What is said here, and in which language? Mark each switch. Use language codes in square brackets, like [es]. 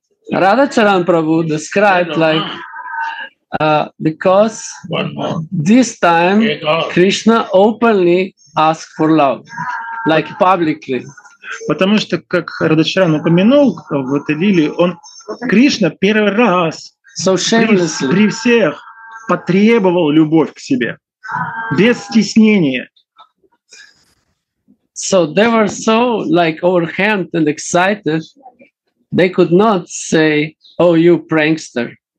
[en] Radhacharan Prabhu described like because this time Krishna openly asked for love, like publicly. [ru] Потому что, как Радхачаран упомянул в этой лиле, он Кришна первый раз при всех потребовал любовь к себе без стеснения. [en] So they were so like overwhelmed and excited, they could not say, "Oh, you prankster."